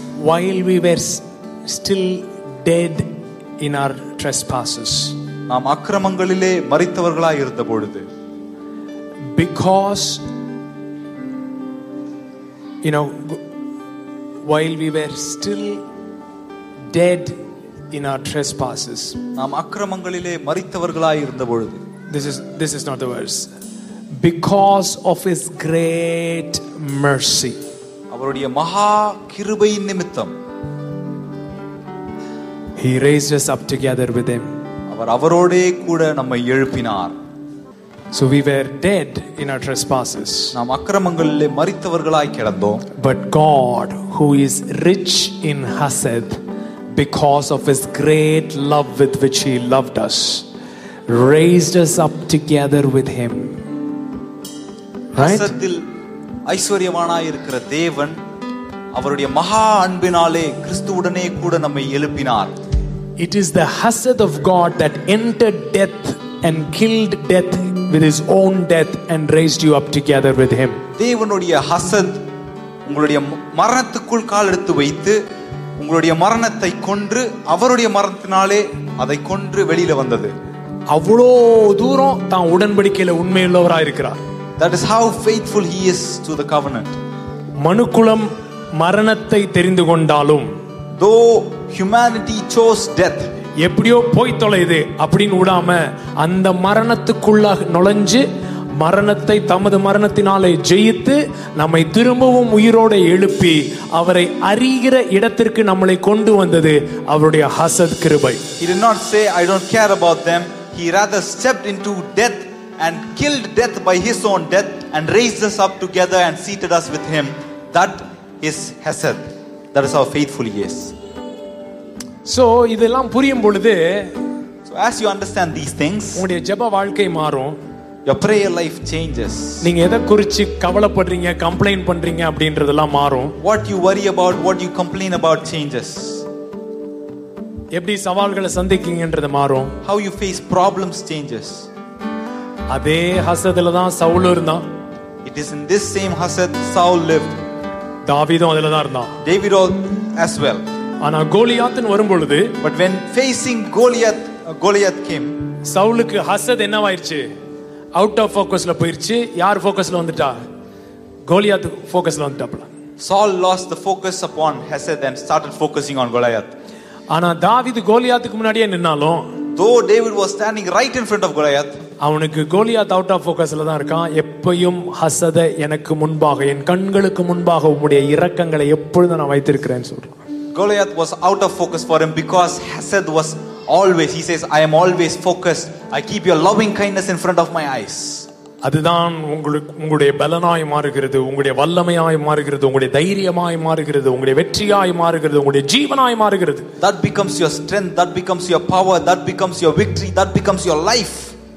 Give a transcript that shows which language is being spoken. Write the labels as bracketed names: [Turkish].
[English] While we were still dead in our trespasses. [Tamil] நாம் அக்கிரமங்களிலே மரித்தவர்களாய் இருந்த பொழுது. [English] Because you know, while we were still dead in our trespasses, [Tamil] நாம் அக்கிரமங்களிலே மரித்தவர்களாய் இருந்தபொழுது, [English] this is not the verse, because of his great mercy, [Tamil] அவருடைய மகா கிருபையின் நிமித்தம், [English] he raised us up together with him, [Tamil] அவர் அவரோடே கூட நம்மை எழுப்பினார். [English] So we were dead in our trespasses, [Tamil] நாம் அக்கிரமங்களிலே மரித்தவர்களாய் கிடந்தோம். [English] But God, who is rich in hasad, because of his great love with which he loved us, raised us up together with him. [Tamil] ஹசத்தில் ஐஸ்வர்யவானாய் இருக்கிற தேவன் அவருடைய மகா அன்பினாலே கிறிஸ்துவுடனே கூட நம்மை எழுப்பினார். [English] It is the hasad of God that entered death and killed death with his own death and raised you up together with him. [Tamil] தேவனுடைய ஹசத் உங்களுடைய மரணத்துக்குள் கால் எடுத்து வைத்து உங்களுடைய மரணத்தை கொன்று அவருடைய மரணத்தினாலே அதை கொன்று வெளியில வந்தது. அவ்வளோ தூரம் தான் உடன்படிக்கையில உண்மையுள்ளவரா இருக்கிறார். [English] That is how faithful he is to the covenant. [Tamil] மனுக்குலம் மரணத்தை தெரிந்து கொண்டாலும், [English] though humanity chose death, [Tamil] எப்படியோ போய் தொலைது அப்படின்னு விடாம அந்த மரணத்துக்குள்ளாக நுழைஞ்சு மரணத்தை தமது மரணத்தினாலே ஜெயித்து நம்மை திரும்பவும் உயிரோடு எழுப்பி அவரை அறிகிற இடத்திற்கு நம்மளை கொண்டு வந்தது அவருடைய ஹசத் கிருபை. [English] He did not say, I don't care about them. He rather stepped into death and killed death by his own death and raised us up together and seated us with him. That is Hesed. That is how faithful he is. [Tamil] So இதெல்லாம் புரியும் பொழுது, [English] so as you understand these things, [Tamil] உங்களுடைய ஜெப வாழ்க்கை மாறும். [English] Your prayer life changes. [Tamil] நீங்க எதை குறித்து கவலைப்படுறீங்க, கம்ப்ளைன்ட் பண்றீங்க அப்படின்றதெல்லாம் மாறும். [English] What you worry about, what you complain about changes. [Tamil] எப்படி சவால்களை சந்திக்கிறீங்கன்றது மாறும். [English] How you face problems changes. [Tamil] அதே ஹசத்துல தான் சவுல் இருந்தான். [English] It is in this same Hasad Saul lived. [Tamil] தாவீதும் அதுல தான் இருந்தான். [English] David as well. [Tamil] ஆனா கோலியாத்னு வரும் பொழுது, [English] but when facing Goliath came, [Tamil] சவுலுக்கு ஹசத் என்னவாயிருச்சு? அவுட் ஆஃப் ஃபோக்கஸ்ல போயிருச்சு. யார் ஃபோக்கஸ்ல வந்துட்டா? Goliath ஃபோக்கஸ்ல வந்துட்டாப்ல. [English] Saul lost the focus upon Hesed and started focusing on Goliath. [Tamil] ஆனா தாவீது கோலியாத்துக்கு முன்னாடியே நின்னாலும், [English] though David was standing right in front of Goliath, [Tamil] அவனுக்கு கோலியாத் அவுட் ஆஃப் ஃபோக்கஸ்ல தான் இருக்கான். எப்பயும் ஹசத எனக்கு முன்பாக, என் கண்களுக்கு முன்பாக உம்முடைய இரக்கங்களை எப்பொழுதும் நான் வைத்திருக்கிறேன்னு சொல்றான். [English] Goliath was out of focus for him because Hesed was always, he says, I am always focused. I keep your loving kindness in front of my eyes. [Tamil] அதுதான் உங்களுக்கு உங்களுடைய பலனாய் மாறுகிறது, உங்களுடைய வல்லமையாய் மாறுகிறது, உங்களுடைய தைரியமாய் மாறுகிறது, உங்களுடைய வெற்றியாய் மாறுகிறது, உங்களுடைய ஜீவனாய் மாறுகிறது. [English] That becomes your strength, that becomes your power, that becomes your victory, that becomes your life.